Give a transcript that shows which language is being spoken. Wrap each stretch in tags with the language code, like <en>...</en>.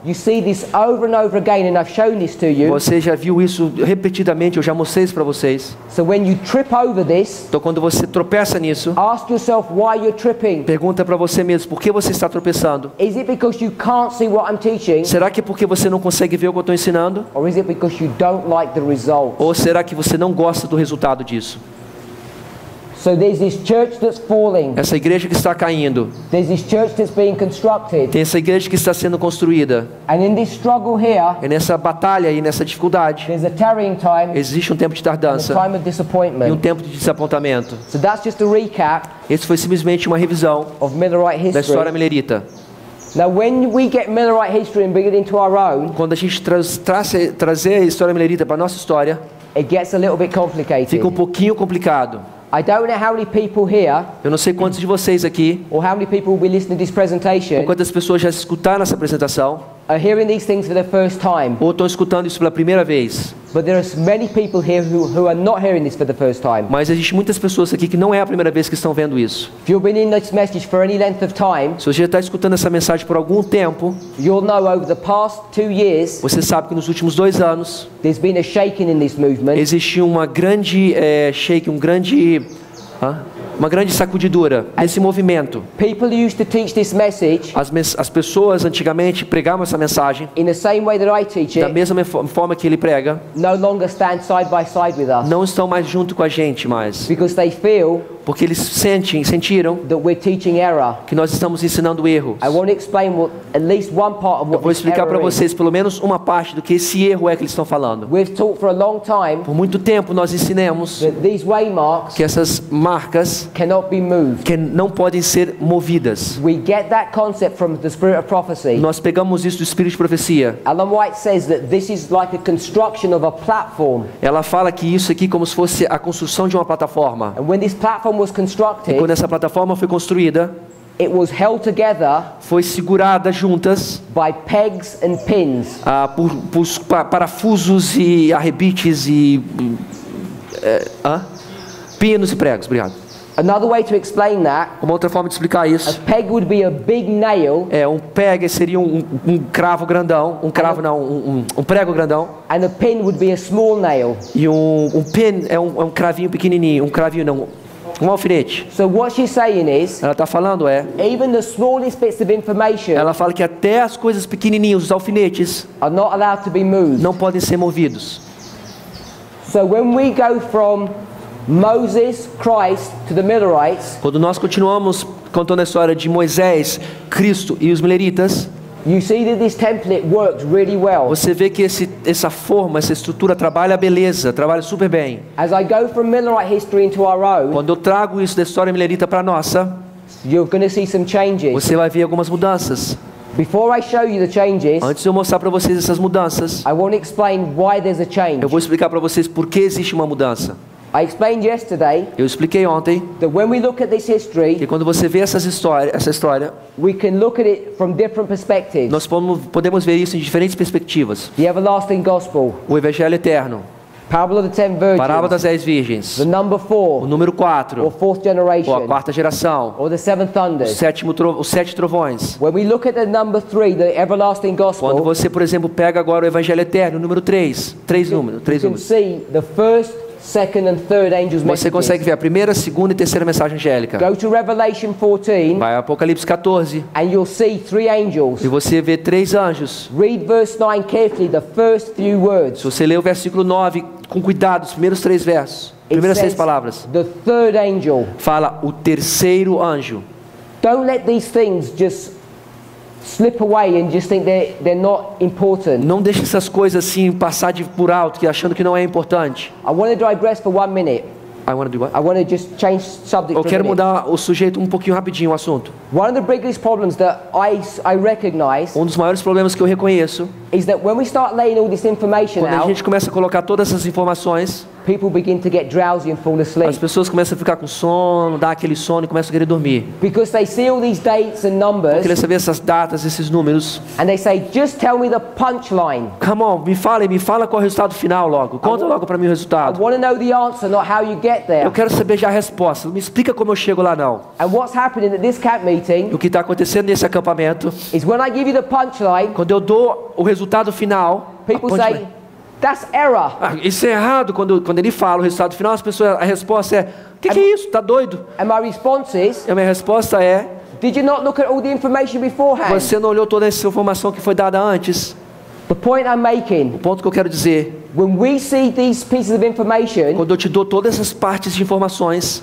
<en>You see this over and over again, and I've shown this to you.</en> <pt>Você já viu isso repetidamente, eu já mostrei isso para vocês.</pt> <en>So when you trip over this,</en> <pt>então quando você tropeça nisso,</pt> <en>ask yourself why you're tripping.</en> <pt>Pergunta para você mesmo, por que você está tropeçando?</pt> <en>Is it because you can't see what I'm teaching?</en> <pt>Será que é porque você não consegue ver o que eu estou ensinando?</pt> <en>Or is it because you don't like the result?</en> <pt>Ou será que você não gosta do resultado disso?</pt> <en>So there's this church that's falling.</en> <pt>Essa igreja que está caindo.</pt> <en>There's this church that's being constructed.</en> <pt>Tem essa igreja que está sendo construída.</pt> <en>And in this struggle here,</en> <pt>e nessa batalha e nessa dificuldade,</pt> <en>there's a tarrying time,</en> <pt>existe um tempo de tardança,</pt> <en>and a time of disappointment,</en> <pt>e um tempo de desapontamento.</pt> <en>So that's just a recap.</en> <pt>Isso foi simplesmente uma revisão</pt> <en>of Millerite history.</en> <pt>Da história millerita.</pt> <en>Now, when we get Millerite history and bring it into our own,</en> <pt>quando a gente trazer a história millerita para nossa história,</pt> <en>it gets a little bit complicated.</en> <pt>Fica um pouquinho complicado.</pt> <en>I don't know how many people here,</en> <pt>eu não sei quantos de vocês aqui,</pt> <en>or how many people will be listening to this presentation,</en> <pt>ou quantas pessoas já escutaram essa apresentação,</pt> <en>are hearing these things for the first time,</en> <pt>ou estão escutando isso pela primeira vez.</pt> <en>But there are many people here who are not hearing this for the first time.</en> <pt>Mas existe muitas pessoas aqui que não é a primeira vez que estão vendo isso.</pt> <en>If you've been in this message for any length of time,</en> <pt>se você já está escutando essa mensagem por algum tempo,</pt> <en>you'll know over the past 2 years,</en> <pt>você sabe que nos últimos 2 anos,</pt> <en>there's been a shaking in this movement.</en> <pt>Existe uma grande shake, um grande uma grande sacudidura nesse movimento.</pt> <en>People used to teach this message.</en> <pt>As pessoas antigamente pregavam essa mensagem.</pt> <en>In the same way that I teach it.</en> <pt>Da mesma forma que ele prega.</pt> <en>No longer stand side by side with us.</en> <pt>Não estão mais junto com a gente mais.</pt> <en>Because they feel.</en> <pt>Porque eles sentiram</pt> <en>that we're teaching error.</en> <pt>Que nós estamos ensinando erros.</pt> <en>I want to explain what, at least one part of what.</en> <pt>Eu vou explicar para vocês pelo menos uma parte do que esse erro é que eles estão falando.</pt> <en>We've taught for a long time.</en> <pt>Por muito tempo nós ensinamos</pt> <en>that these waymarks</en> <pt>que essas marcas</pt> <en>cannot be moved.</en> <pt>Que não podem ser movidas.</pt> <en>We get that concept from the spirit of prophecy.</en> <pt>Nós pegamos isso do espírito de profecia.</pt> <en>Ellen White says that this is like a construction of a platform.</en> <pt>Ela fala que isso aqui é como se fosse a construção de uma plataforma.</pt> <en>And when this platform was constructed.</en> <pt>E quando essa plataforma foi construída,</pt> <en>it was held together.</en> <pt>Foi segurada juntas</pt> <en>by pegs and pins.</en> <pt>Por parafusos e arrebites e pinos e pregos, obrigado.</pt> <en>Another way to explain that.</en> <pt>Uma outra forma de explicar isso.</pt> <en>A peg would be a big nail.</en> <pt>É, um peg seria um cravo grandão, um prego grandão.</pt> <en>And a pin would be a small nail.</en> <pt>E um pin é um cravinho pequenininho, um cravinho não. Um alfinete.</pt> <en>So what she's saying is,</en> <pt>ela está falando</pt> <en>even the smallest bits of information.</en> <pt>Ela fala que até as coisas pequenininhas, os alfinetes,</pt> <en>are not allowed to be moved.</en> <pt>Não podem ser movidos.</pt> <en>So when we go from Moses, Christ to the Millerites,</en> <pt>quando nós continuamos contando a história de Moisés, Cristo e os Milleritas,</pt> <en>you see that this template works really well.</en> <pt>Você vê que essa forma, essa estrutura trabalha beleza, trabalha super bem.</pt> <en>As I go from Millerite history into our own,</en> <pt>quando eu trago isso da história millerita para nossa,</pt> <en>you're going to see some changes.</en> <pt>Você vai ver algumas mudanças.</pt> <en>Before I show you the changes,</en> <pt>antes de eu mostrar para vocês essas mudanças,</pt> <en>I want to explain why there's a change.</en> <pt>Eu vou explicar para vocês por que existe uma mudança.</pt> <en>I explained yesterday.</en> <pt>Eu expliquei ontem.</pt> <en>That when we look at this history,</en> <pt>que quando você vê essa história,</pt> <en>we can look at it from different perspectives.</en> <pt>Nós podemos ver isso em diferentes perspectivas.</pt> <en>The everlasting gospel.</en> <pt>O evangelho eterno.</pt> <en>Parable of the ten virgins.</en> <pt>Parábola das 10 virgens.</pt> <en>The number four.</en> <pt>O número 4.</pt> <en>Or fourth generation.</en> <pt>Ou a quarta geração.</pt> <en>Or the seven thunders.</en> <pt>Os sete trovões.</pt> <en>When we look at the number three, the everlasting gospel.</en> <pt>Quando você, por exemplo, pega agora o evangelho eterno, o número 3. Três números.</pt> <en>You can see the first, second and third angels.</en> <pt>Você consegue ver a primeira, segunda e terceira mensagem angélica?</pt> <en>Go to Revelation 14.</en> <pt>Vai ao Apocalipse 14.</pt> <en>And you'll see three angels.</en> <pt>E você vê três anjos.</pt> <en>Read verse 9 carefully, the first few words.</en> <pt>Se você ler o versículo 9 com cuidado, os primeiros três versos, primeiras seis palavras.</pt> <en>The third angel.</en> <pt>Fala o terceiro anjo.</pt> <en>Don't let these things just slip away and just think they're not important.</en> <pt>Não deixe essas coisas assim passar de por alto, que achando que não é importante.</pt> <en>I want to digress for one minute. I want to do what? I want to just change subject.</en> <pt>Eu quero mudar o sujeito um pouquinho rapidinho, o assunto.</pt> <en>One of the biggest problems that I recognize.</en> <pt>Um dos maiores problemas que eu reconheço.</pt> <en>Is that when we start laying all this information out.</en> <pt>Quando a gente começa a colocar todas essas informações.</pt> <en>People begin to get drowsy and fall asleep.</en> <pt>As pessoas começam a ficar com sono, dá aquele sono e começam a querer dormir.</pt> <en>Because they see all these dates and numbers.</en> <pt>Porque eles veem essas datas, esses números.</pt> <en>And they say, just tell me the punchline. Come on,</en> <pt>me fala qual é o resultado final logo. Conta logo para mim o resultado.</pt> <en>I want to know the answer, not how you get there.</en> <pt>Eu quero saber já a resposta. Me explica como eu chego lá não.</pt> <en>And what's happening at this camp meeting?</en> <pt>O que está acontecendo nesse acampamento?</pt> <en>Is when I give you the punchline.</en> <pt>Quando eu dou o resultado final.</pt> <en>People say. That's error.</en> <pt>Ah, isso é errado. Quando ele fala o resultado final, a resposta é: que é isso? Tá doido?</pt> <en>And my response is,</en> <pt>e a minha resposta é:</pt> <en>did you not look at all the information beforehand?</en> <pt>Você não olhou toda essa informação que foi dada antes?</pt> <en>The point I'm making,</en> <pt>o ponto que eu quero dizer:</pt> <en>when we see these pieces of information,</en> <pt>quando eu te dou todas essas partes de informações,</pt>